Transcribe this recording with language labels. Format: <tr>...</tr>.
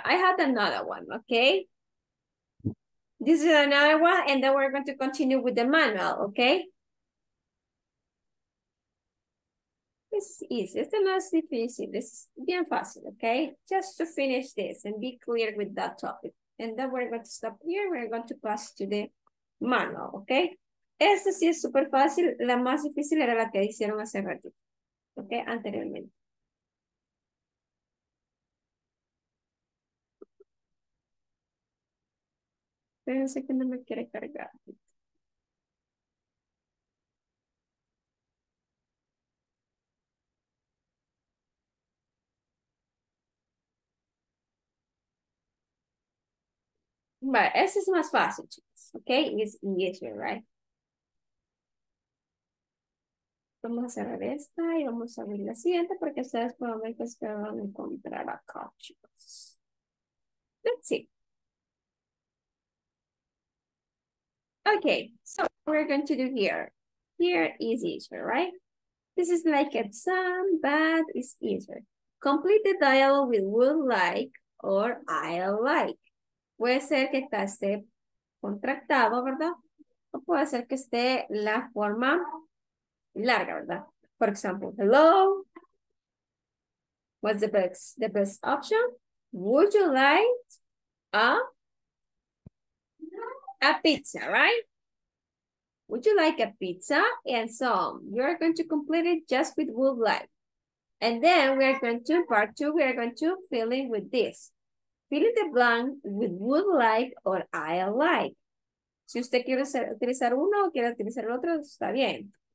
<en>I had another one, okay? This is another one, and then we're going to continue with the manual, okay? This is easy. It's not as difficult. This is</en> <es>bien fácil,</es> <en>okay? Just to finish this and be clear with that topic. And then we're going to stop here. We're going to pass to the manual, okay?</en> <es>Esta sí es súper fácil. La más difícil era la que hicieron hace rato, okay? Anteriormente. Espérense que no me quiere cargar. Vale, ese es más fácil, chicos. Ok, es</es> <en>easier, right?</en> <es>Vamos a cerrar esta y vamos a abrir la siguiente porque ustedes pueden ver que se van a encontrar acá, chicos.</es> <en>Let's see. Okay, so what we're going to do here is easier, right? This is like exam, but it's easier. Complete the dialogue with would like or I'll like.</en> <es>Puede ser que esté contractado, ¿verdad? O puede ser que esté la forma larga, ¿verdad?</es> <en>For example, hello. What's the best option? Would you like a pizza, right? Would you like a pizza? And so you are going to complete it just with would like. And then we are going to, part two, we are going to fill in with this. Fill in the blank with would like or I like.</en> <es>Si usted quiere utilizar uno o quiere utilizar el otro, está bien.</es>